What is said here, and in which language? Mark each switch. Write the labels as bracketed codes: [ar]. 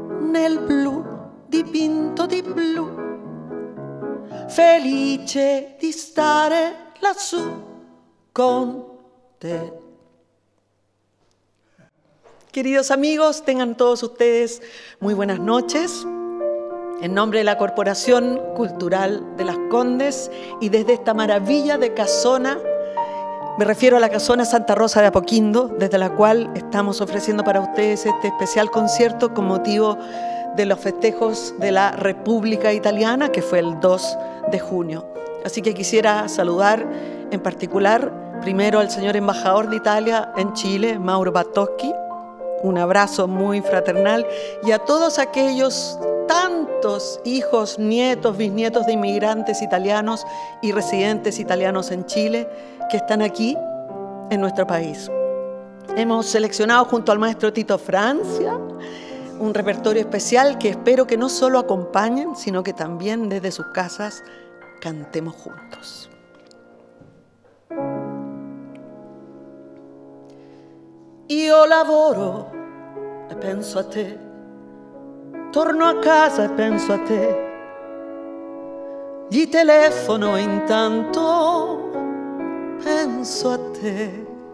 [it] Nel blu, dipinto di blu, felice di stare lassù con te. [es] Queridos amigos, tengan todos ustedes muy buenas noches. En nombre de la Corporación Cultural de Las Condes y desde esta maravilla de casona, me refiero a la Casona Santa Rosa de Apoquindo, desde la cual estamos ofreciendo para ustedes este especial concierto con motivo de los festejos de la República Italiana, que fue el 2 de junio. Así que quisiera saludar en particular primero al señor embajador de Italia en Chile, Mauro Battocchi, un abrazo muy fraternal, y a todos aquellos tantos hijos, nietos, bisnietos de inmigrantes italianos y residentes italianos en Chile que están aquí en nuestro país. Hemos seleccionado junto al maestro Tito Francia un repertorio especial que espero que no solo acompañen, sino que también desde sus casas cantemos juntos. [it] Io lavoro e penso a te, torno a casa e penso a te, gli telefono intanto penso a te.